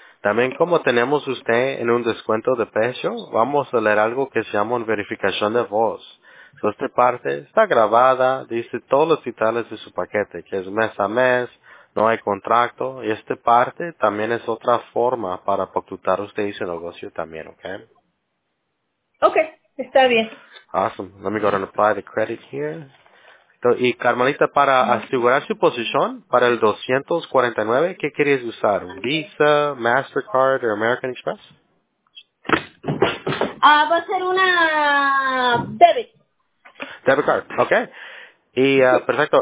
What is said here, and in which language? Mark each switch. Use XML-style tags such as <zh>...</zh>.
<es>También como tenemos usted en un descuento de precio, vamos a leer algo que se llama una verificación de voz. So, esta parte está grabada, dice todos los detalles de su paquete, que es mes a mes. No hay contrato. Y esta parte también es otra forma para pactar usted y su negocio también, ¿ok? Ok, está bien.</es> <en>Awesome. Let me go and apply the credit here.</en> <es>Y Carmelita, para asegurar su posición, para el 249, ¿qué querías usar? ¿Visa, Mastercard o American Express? Va a ser una debit. Debit card, ok. Y perfecto.</es>